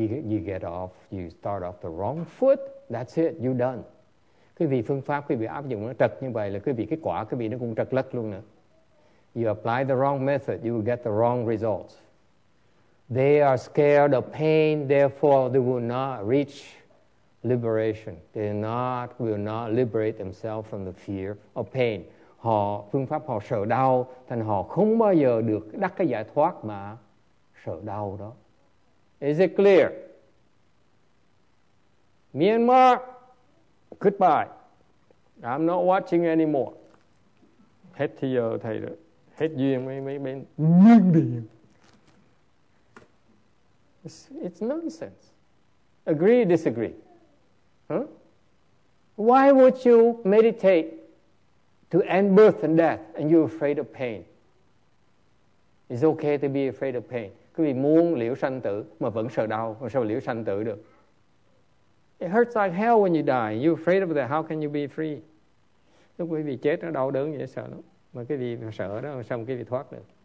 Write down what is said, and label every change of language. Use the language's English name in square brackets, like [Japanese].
[English] You get off, you start off the wrong foot. That's it, you're done. [Vietnamese] Quý vị phương pháp quý vị áp dụng nó trật như vậy là quý vị cái quả quý vị nó cũng trật lất luôn nữa. [English] You apply the wrong method, you will get the wrong results. They are scared of pain, therefore they will not reach liberation. They will not liberate themselves from the fear of pain. [Vietnamese] Họ phương pháp họ sợ đau, thành họ không bao giờ được đắc cái giải thoát mà sợ đau đó. [English] Is it clear? Myanmar, goodbye. I'm not watching anymore. [Vietnamese] Hết thì giờ thầy rồi. Hết duyên mấy bên Miến Điện. [English] It's nonsense. Agree, disagree. Huh? Why would you meditate to end birth and death and you're afraid of pain? It's okay to be afraid of pain. [Vietnamese] Quý vị muốn liễu sanh tử mà vẫn sợ đau, mà sao liễu sanh tử được? [English] It hurts like hell when you die. You're afraid of that. How can you be free? [Vietnamese] Lúc quý vị chết nó đau đớn vậy sợ lắm. Mà quý vị sợ đó, sao quý vị thoát được?